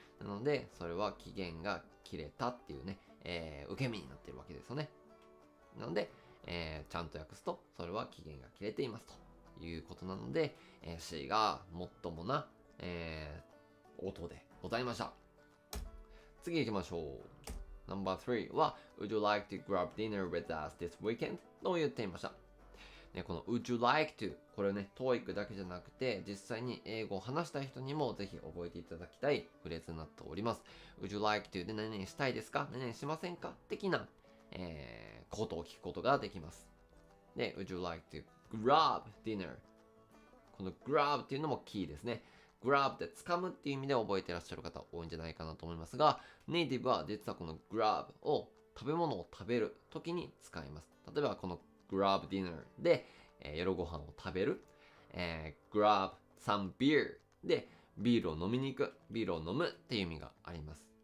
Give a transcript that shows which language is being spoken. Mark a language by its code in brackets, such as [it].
[ja] なのでそれは期限が切れたっていうね、受け身になってるわけですよね。なので、ちゃんと訳すとそれは期限が切れていますということなので、C が最もな、音でございました。次行きましょう。 [en] No.3 は Would you like to grab dinner with us this weekend? [ja] と言ってみました。ね、この [en] Would you like to、 [ja] これね TOEIC だけじゃなくて実際に英語を話したい人にもぜひ覚えていただきたいフレーズになっております。 [en] Would you like to [ja] で何々したいですか、何々しませんか的な、ことを聞くことができます。で [en] Would you like to grab dinner、 [ja] この grab っていうのもキーですね。 grab って掴むっていう意味で覚えてらっしゃる方多いんじゃないかなと思いますが、ネイティブは実はこの grab を食べ物を食べるときに使います。例えばこの [en] Grab dinner [ja] で、夜ご飯を食べる、 [en] Grab some beer [ja] でビールを飲みに行く、ビールを飲むっていう意味があります。